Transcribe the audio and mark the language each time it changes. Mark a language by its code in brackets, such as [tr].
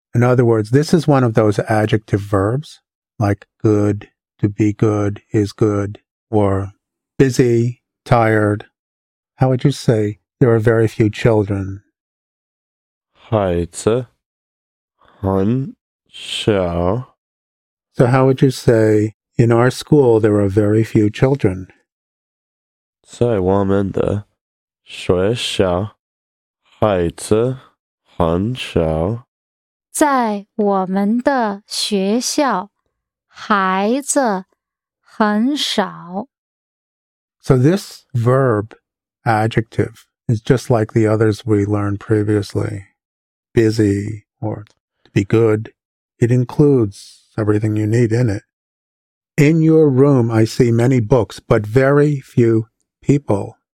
[en] In other words, this is one of those adjective verbs, like good, to be good, is good, or busy, tired. How would you say there are very few children? [zh] 孩子 很小. [en] So how would you say, in our school, there are very few children? [zh] 在我们的学校,孩子很少. 在我们的学校,孩子很少. [en] So this verb, adjective, is just like the others we learned previously. Busy, or to be good. It includes everything you need in it. In your room, I see many books, but very few people.